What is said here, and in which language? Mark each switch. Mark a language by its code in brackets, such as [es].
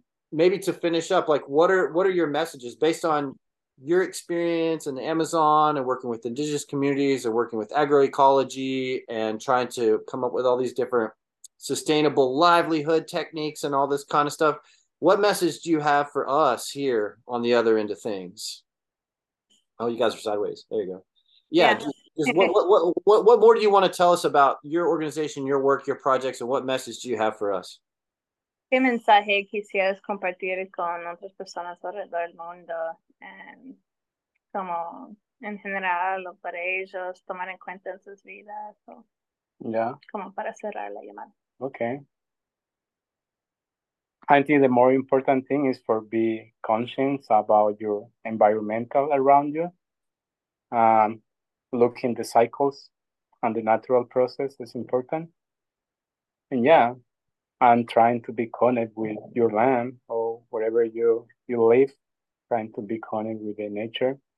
[en] Maybe to finish up, like what are your messages based on your experience in the Amazon and working with indigenous communities and working with agroecology and trying to come up with all these different sustainable livelihood techniques and all this kind of stuff? What message do you have for us here on the other end of things? Oh, you guys are sideways. There you go. Yeah, Yeah. just what more do you want to tell us about your organization, your work, your projects, and what message do you have for us? [es] ¿Qué mensaje quisieras compartir con otras personas alrededor del mundo? Como en general, o para ellos tomar en cuenta en sus vidas, o [en] Yeah. [es] como para cerrar la llamada. [en] Okay. I think the more important thing is for be conscious about your environmental around you. Looking the cycles and the natural process is important. And yeah, and trying to be connected with your land or wherever you live, trying to be connected with the nature.